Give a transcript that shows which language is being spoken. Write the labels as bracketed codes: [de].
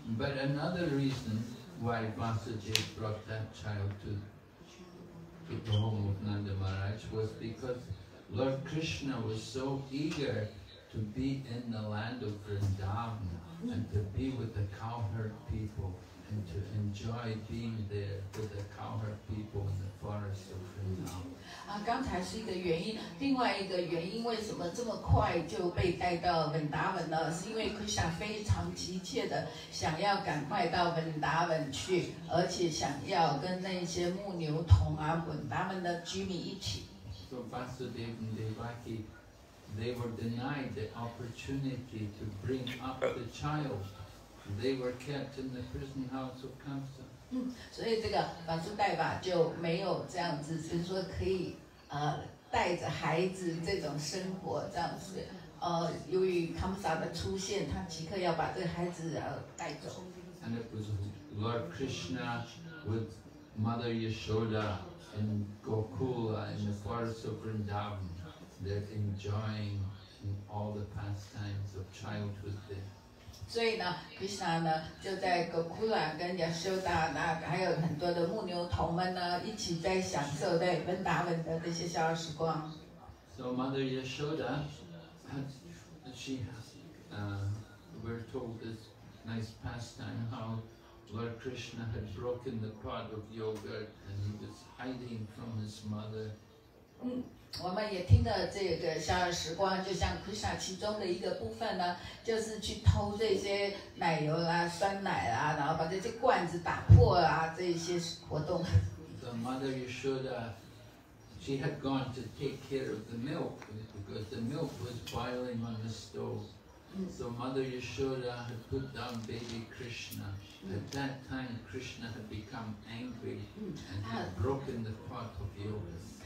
[en] But another reason why Vasudev brought that child to the home of Nanda Maharaj was because Lord Krishna was so eager to be in the land of Vrindavan and to be with the cowherd people. And to enjoy being there with the cowherd people in the forest of Vrindavan. [zh] 刚才是一个原因，另外一个原因为什么这么快就被带到文达文呢？是因为 Krishna 非常急切的想要赶快到文达文去，而且想要跟那些牧牛童啊、文达文的居民一起。 [en] So Vasudev and Devaki, they were denied the opportunity to bring up the child. They were kept in the prison house of Kamsa. [zh] 所以这个瓦苏代瓦就没有这样子，就是说可以带着孩子这种生活这样子。由于 Kamsa 的出现，他即刻要把这个孩子带走。 [en] And it was Lord Krishna with Mother Yashoda. In Gokula, in the forest of Vrindavan, they're enjoying all the pastimes of childhood there. [zh] 所以呢 ，Krishna 呢就在 Gokula 跟 Yashoda 那还有很多的牧牛童们呢一起在享受在 Vrindavan 的那些小时光。 [en] So Mother Yashoda, she, we're told this nice pastime howLord Krishna had broken the pot of yogurt and he was hiding from his mother. [zh] 我们也听到这个小儿时光，就像 Krishna 其中的一个部分呢，就是去偷这些奶油啦、酸奶啦，然后把这些罐子打破啊，这些活动。 [en] The mother Yashoda, she had gone to take care of the milk because the milk was boiling on the stove. So Mother Yashoda had put down baby Krishna. At that time, Krishna had become angry and had broken the pot of yogurt.